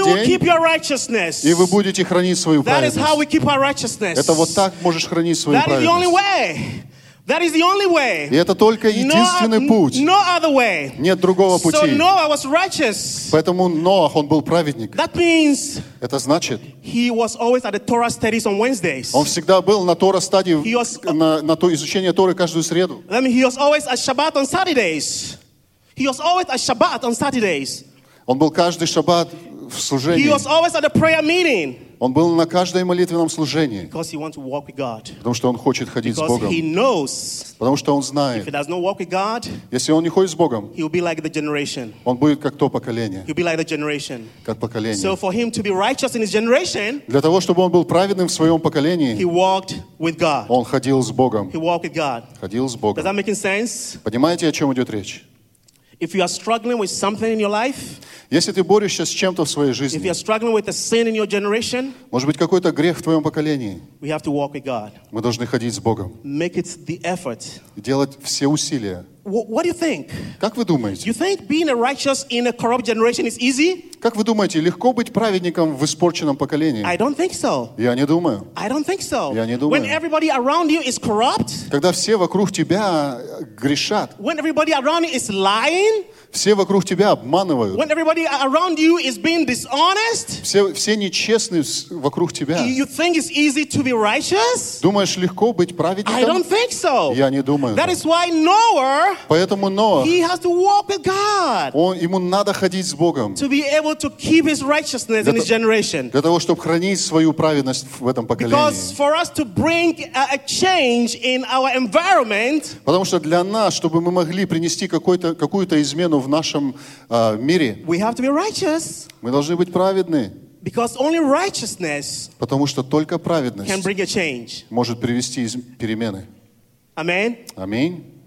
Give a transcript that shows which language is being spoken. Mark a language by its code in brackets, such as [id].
[en] And you will keep your righteousness. [ru] И вы будете хранить свою праведность. [en] That is how we keep our righteousness. [ru] Это вот так можешь хранить свою праведность. [en] That is the only way. That is the only way. [ru] И это только единственный путь. [en] No other way. [ru] Нет другого пути. [en] So Noah was righteous. [ru] Поэтому Ноах, он был праведник. [en] That means, [ru] это значит, [en] he was always at the Torah studies on Wednesdays. [ru] Он всегда был на Тора стадии, на то изучение Торы каждую среду. [en] I mean, he was always at Shabbat on Saturdays. He was always at Shabbat on Saturdays. [ru] Он был каждый шаббат в служении. [en] He was always at the prayer meeting. [ru] Он был на каждом молитвенном служении. [en] Because he wants to walk with God. [ru] Потому что он хочет ходить с Богом. [en] Because he knows, [ru] потому что он знает. [en] If he does not walk with God, [ru] если он не ходит с Богом, [en] he will be like the generation. [ru] Он будет как то поколение. [en] He'll be like the generation. [ru] Как поколение. [en] So for him to be righteous in his generation, [ru] для того, чтобы он был праведным в своем поколении, [en] he walked with God. [ru] Он ходил с Богом. [en] He walked with God. [ru] Ходил с Богом. [en] Does that make sense? [ru] Понимаете, о чем идет речь? [en] If you are struggling with something in your life, [ru] если ты борешься с чем-то в своей жизни, [en] if you are struggling with a sin in your generation, [ru] может быть, какой-то грех в твоем поколении, [en] we have to walk with God. [ru] Мы должны ходить с Богом. [en] Make it the effort. [ru] Делать все усилия. [en] What do you think? [ru] Как вы думаете? [en] You think being a righteous in a corrupt generation is easy? [ru] Как вы думаете, легко быть праведником в испорченном поколении? [en] I don't think so. [ru] Я не думаю. [en] I don't think so. [ru] Я не думаю. [en] When everybody around you is corrupt? [ru] Когда все вокруг тебя грешат. [en] When everybody around you is lying? [ru] Все вокруг тебя обманывают. [en] When everybody around you is being dishonest? [ru] Все нечестны вокруг тебя. [en] You think it's easy to be righteous? [ru] Думаешь, легко быть праведником? [en] I don't think so. [ru] Я не думаю. [en] That is why Noah. [ru] Поэтому Ноах. [en] He has to walk with God. [ru] Ему надо ходить с Богом. [en] To be able to keep his righteousness in his generation. [ru] Для того, чтобы хранить свою праведность в этом поколении. [en] Because for us to bring a change in our environment. [ru] Потому что для нас, чтобы мы могли принести какую-то измену в нашем мире. [en] We have to be righteous. [ru] Мы должны быть праведны. [en] Because only righteousness, [ru] потому что только праведность, [en] can bring a change, [ru] может привести перемены. [en] Amen. [ru] Аминь.